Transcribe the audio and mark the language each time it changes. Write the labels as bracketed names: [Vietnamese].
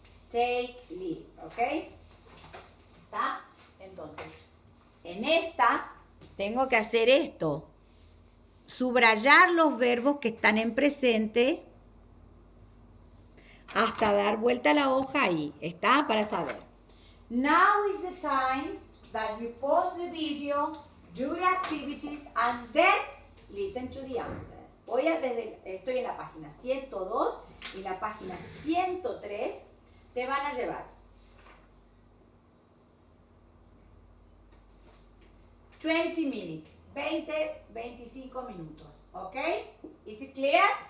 [English] Take leave, ¿ok? [Spanish] ¿Está? Entonces, en esta tengo que hacer esto. Subrayar los verbos que están en presente hasta dar vuelta la hoja ahí, ¿está? Para saber. [English] Now is the time that you pause the video, do the activities, and then listen to the answers. [Spanish] Estoy en la página 102 y la página 103 te van a llevar [English] 20 minutes, [Spanish] 20, 25 minutos, ¿ok? [English] Is it clear?